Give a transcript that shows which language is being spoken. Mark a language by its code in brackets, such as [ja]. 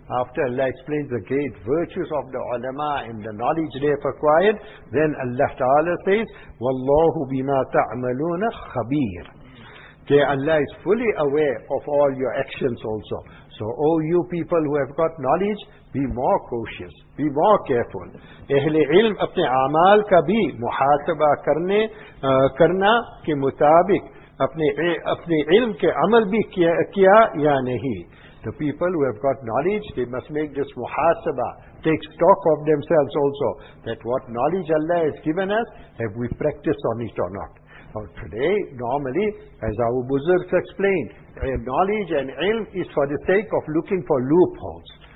[en] After Allah explains the great virtues of the ulama and the knowledge they have acquired, then Allah Ta'ala says, [ar] وَاللَّهُ بِمَا تَعْمَلُونَ خَبِيرٌ. [en] That Allah is fully aware of all your actions also. So, O you people who have got knowledge, be more cautious, be more careful. [ur] اہلِ علم اپنے عامال کا بھی محاسبہ کرنے کرنا کے مطابق اپنے علم کے عمل بھی کیا یا نہیں. [en] The people who have got knowledge, they must make this muhasaba, take stock of themselves also, that what knowledge Allah has given us, have we practiced on it or not? Now today, normally, as our Buzurgs explained, knowledge and ilm is for the sake of looking for loopholes.